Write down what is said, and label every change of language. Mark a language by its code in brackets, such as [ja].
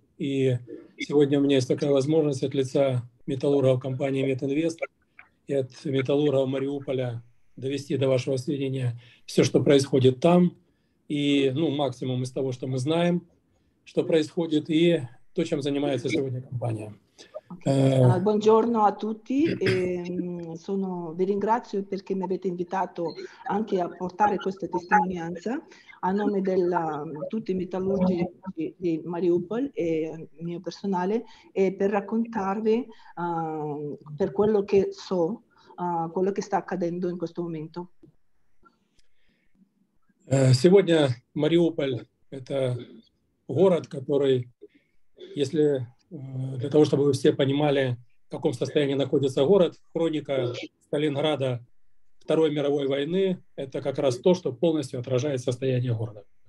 [ru] И сегодня у меня есть такая возможность от лица металлургов компании «Метинвест» и от металлургов Мариуполя довести до вашего сведения все, что происходит там. И, ну, максимум из того, что мы знаем, что происходит, и то, чем занимается сегодня компания. [it] Buongiorno a tutti. Vi ringrazio perché mi avete invitato anche a portare questa testimonianza a nome di tutti i metallurgi di Mariupol e mio personale, e per raccontarvi per quello che so, quello che sta accadendo in questo momento. [ru] Сегодня Мариуполь – это город, который, если для того, чтобы вы все понимали, в каком состоянии находится город, хроника Сталинграда Второй мировой войны – это как раз то, что полностью отражает состояние города.